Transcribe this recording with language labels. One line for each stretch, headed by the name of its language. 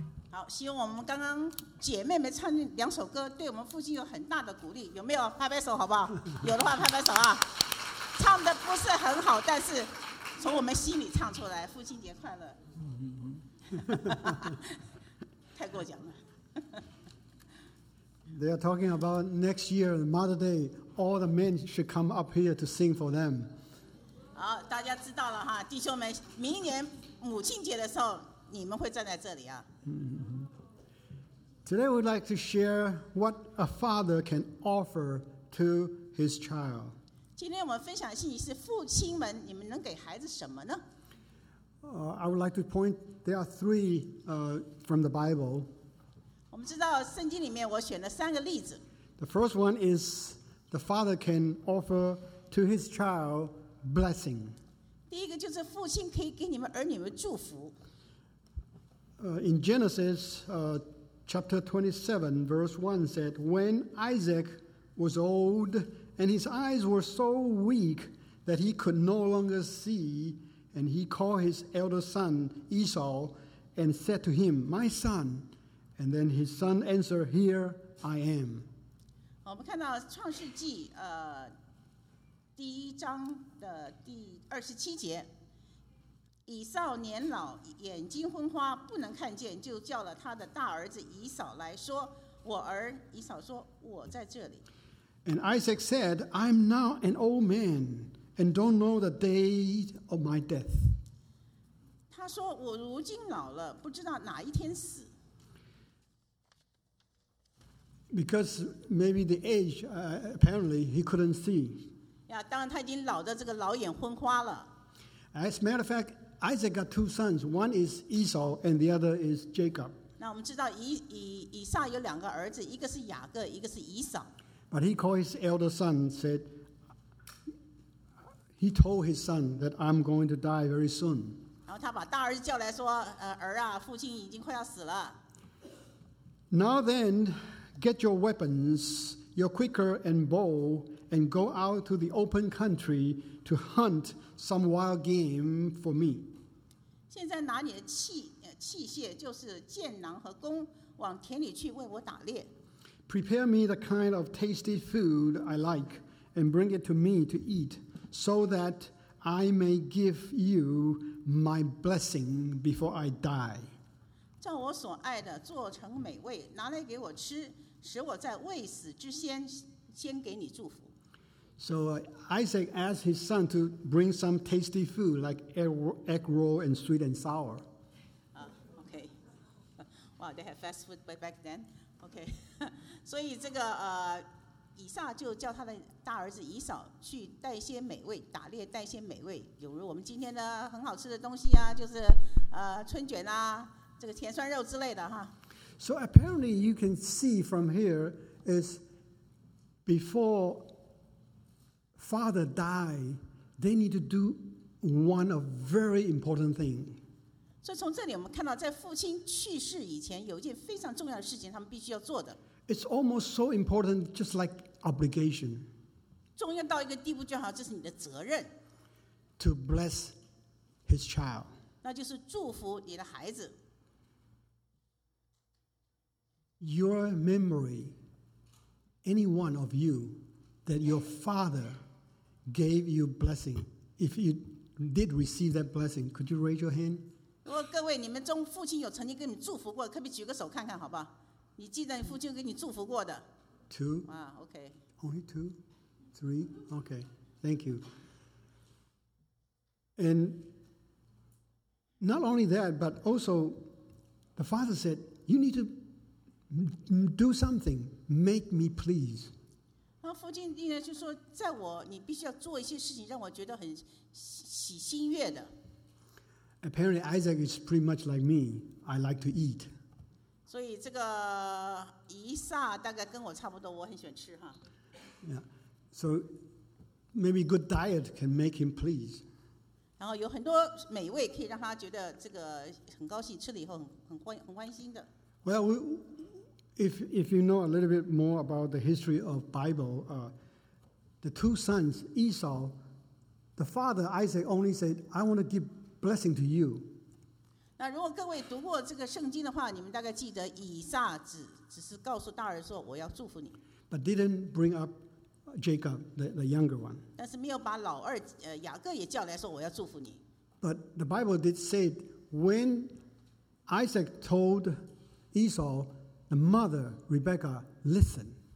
Chinese: 好，希望我们刚刚姐妹们唱两首歌，对我们父亲有很大的鼓励。有没有拍拍手，好不好？有的话拍拍手啊。唱的不是很好，但是从我们心里唱出来，父亲节快乐。太过奖了。
English: They are talking about next year, Mother's Day, all the men should come up here to sing for them.
Chinese: 好，大家知道了哈，弟兄们，明年母亲节的时候，你们会站在这里啊。
English: Today we'd like to share what a father can offer to his child.
Chinese: 今天我们分享的信息是父亲们，你们能给孩子什么呢？
English: I would like to point, there are three from the Bible.
Chinese: 我们知道圣经里面我选了三个例子。
English: The first one is the father can offer to his child blessing.
Chinese: 第一个就是父亲可以给你们儿女们祝福。
English: In Genesis chapter 27 verse 1 said, When Isaac was old and his eyes were so weak that he could no longer see, and he called his elder son Esau and said to him, My son,And then his son answered, Here I am.
Chinese: 我们看到创世纪第一章的第二十七节，以扫年老，眼睛昏花，不能看见，就叫了他的大儿子以扫来说，我儿，以扫说，我在这里。
English: And Isaac said, I'm now an old man, and don't know the day of my death.
Chinese: 他说，我如今老了，不知道哪一天死。
English: Because maybe the age, apparently, he couldn't see.
Chinese: Yeah, 当然他已经老的这个老眼昏花了。
English: As a matter of fact, Isaac got two sons. One is Esau, and the other is Jacob.
Chinese: 那我们知道以撒有两个儿子，一个是雅各，一个是以扫。
English: But he called his elder son, said, he told his son that I'm going to die very soon.
Chinese: 然后他把大儿子叫来说，儿啊，父亲已经快要死了。
English: Now then,Get your weapons, your quiver and bow, and go out to the open country to hunt some wild game for me.
Chinese: 现在拿你的器械，就是箭囊和弓，往田里去为我打猎。
English: Prepare me the kind of tasty food I like, and bring it to me to eat, so that I may give you my blessing before I die.
Chinese: 照我所爱的，做成美味，拿来给我吃。使我在未死之先，先给你祝福。
English: So Isaac asked his son to bring some tasty food like egg roll and sweet and sour. Okay. Wow, they had fast food back then. Okay.
Chinese: 所以这个以撒就叫他的大儿子以扫去带些美味，打猎带些美味，比如我们今天的很好吃的东西啊，就是春卷啊，这个甜酸肉之类的哈。
English: So apparently you can see from here is before father die, they need to do one of very important thing. So from here, we can see that before father dies, they need to do one of very important things. It's almost so important, just like obligation.
Chinese: 重要到一个地步就好，这是你的责任。
English: To bless his child.
Chinese: 那就是祝福你的孩子。
English: Your memory, any one of you, that your father gave you blessing, if you did receive that blessing, could you raise your hand?
Chinese: 如果各位你们中父亲有曾经给你祝福过，可不可以举个手看看，好不好？你记得你父亲给你祝福过的
English: ？Two. Okay. Only two, three. Okay. Thank you. And not only that, but also the father said, "You need to." Do something. Make me please.
Chinese: 然后父亲应该就说，在我你必须要做一些事情，让我觉得很喜心悦的。
English: Apparently, Isaac is pretty much like me. I like to eat.
Chinese: 所以这个以撒大概跟我差不多，我很喜欢吃哈。
English: Yeah. So maybe good diet can make him please.
Chinese: 然后有很多美味可以让他觉得这个很高兴，吃了以后很欢心的。
English: Well, if you know a little bit more about the history of Bible, the two sons, Esau, the father, Isaac, only said, I want to give blessing to you.
Chinese: 那如果各位读过这个圣经的话，你们大概记得以撒只是告诉大儿说，我要祝福你。
English: But didn't bring up Jacob, the younger one.
Chinese: 但是没有把老二雅各也叫来说，我要祝福你。
English: But the Bible did say when Isaac told Esau, the mother, Rebekah, listen.